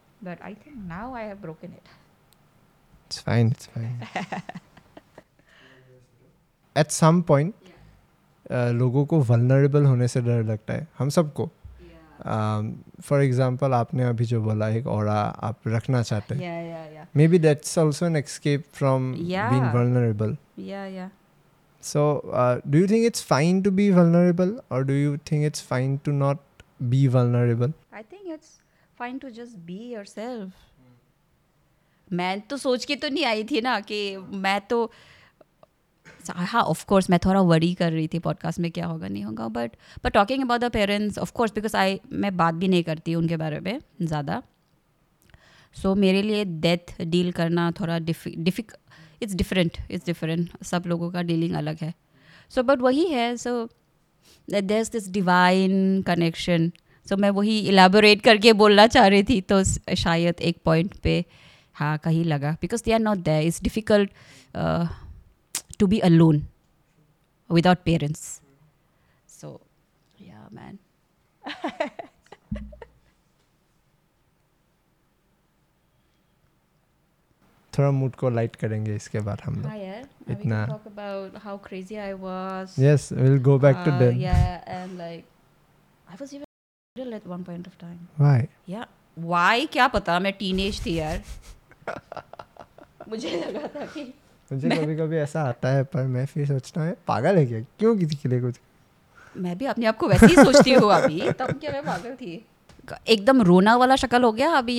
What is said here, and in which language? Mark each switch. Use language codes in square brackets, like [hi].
[en] But I think now I have broken it. It's fine. It's fine. [hi] At some point, लोगों को vulnerable होने से डर लगता है, हम सबको. For example, आपने अभी जो बोला एक औरा आप रखना चाहते हैं. [en] Maybe that's also an escape from being vulnerable. So, do you think it's fine to be vulnerable, or do you think it's fine to not be vulnerable? I think it's fine to just be yourself. [hi] मैं तो सोच के तो नहीं आई थी ना कि मैं तो हाँ ऑफ कोर्स मैं थोड़ा वरी कर रही थी पॉडकास्ट में क्या होगा नहीं होगा, but talking about the parents of course because I मैं बात भी नहीं करती उनके बारे में ज़्यादा. सो मेरे लिए डेथ डील करना थोड़ा इट्स डिफरेंट सब लोगों का डीलिंग अलग है. सो बट वही है, so there's this divine connection. सो मैं वही इलैबोरेट करके बोलना चाह रही थी तो शायद एक पॉइंट पे हाँ कहीं लगा, because दे are not there. [en] It's difficult to be alone without parents. So yeah man. [hi] थोड़ा मूड को लाइट करेंगे इसके बाद हम लोग. [en] हाँ यार, इतना talk about how crazy I was. Yes, we'll go back to them. Yeah, and like I was even little at one point of time. Why? [hi] Yeah, why क्या पता, मैं teenage थी यार. मुझे लगा था कि मुझे कभी कभी ऐसा आता है, पर मैं फिर सोचता हूँ पागल है क्या, क्यों किसी के लिए कुछ. मैं भी अपने आप को वैसे ही सोचती हूँ अभी, तब क्या मैं पागल थी. एकदम रोना वाला शक्ल हो गया अभी.